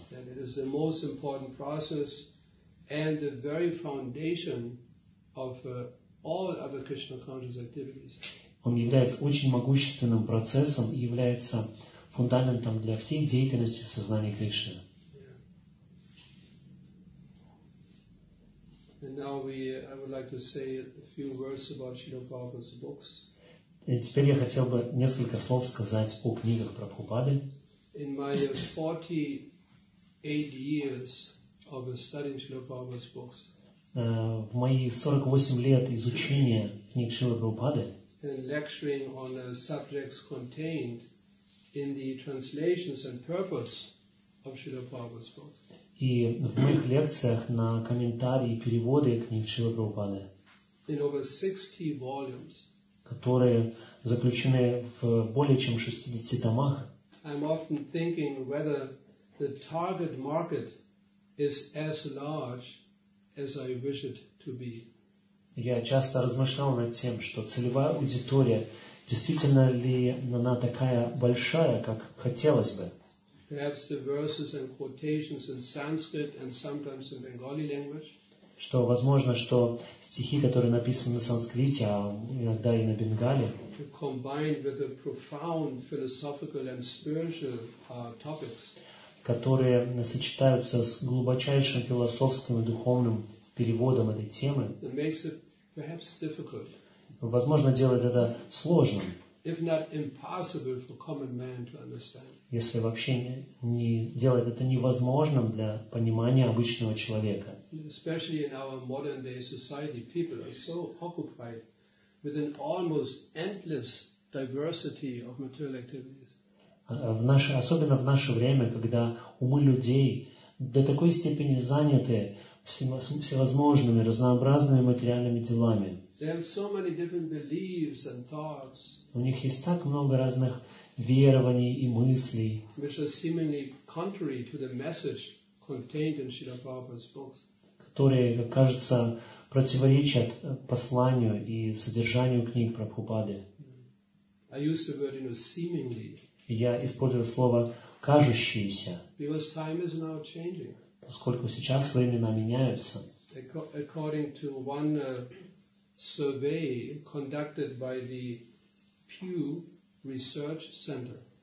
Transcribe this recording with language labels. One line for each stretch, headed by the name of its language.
Russian: Это самый важный процесс,
English: and the very foundation of all other Krishna conscious activities.
Russian: Он является очень могущественным процессом и является фундаментом для всей деятельности в сознании Кришны.
English: Yeah. And now I would like to say a few words about Srila Prabhupada's books.
Russian: И теперь я хотел бы несколько слов сказать о книгах Прабхупады.
English: In my 48 years of studying Srila Prabhupada's books.
Russian: В мои 48 лет изучения книг Шрилы Прабхупады
English: and lecturing on the subjects contained in the translations and purpose of Srila Prabhupada's books.
Russian: И в моих лекциях на комментарии и переводы книг Шрилы Прабхупады
English: in over 60 volumes,
Russian: которые заключены в более чем 60 томах,
English: I'm often thinking whether the target market is as large as I wish it to be.
Russian: Я часто размышлял над тем, что целевая аудитория действительно ли она такая большая, как хотелось бы.
English: Perhaps the verses and quotations in Sanskrit and sometimes in Bengali language.
Russian: Что возможно, что стихи, которые написаны на санскрите, а иногда и на бенгали,
English: combined with the profound philosophical and spiritual topics,
Russian: которые сочетаются с глубочайшим философским и духовным переводом этой темы,
English: it makes it perhaps difficult.
Russian: Возможно, делает это сложным.
English: If not impossible for common man to understand.
Russian: Если вообще не делает это невозможным для понимания обычного человека.
English: Especially in our modern day society, people are so occupied with an almost endless diversity of material activities.
Russian: Особенно в наше время, когда умы людей до такой степени заняты всевозможными разнообразными материальными делами.
English: There are so many different beliefs and thoughts.
Russian: У них есть так много разных верований и мыслей,
English: which are seemingly contrary to the message contained in Srila Prabhupada's books.
Russian: Которые, кажется, противоречат посланию и содержанию книг Прабхупады.
English: I use the word, you know, seemingly.
Russian: Я использую слово «кажущиеся».
English: Because time is now changing.
Russian: Поскольку сейчас времена меняются.
English: According to one survey conducted by the Pew Research Center.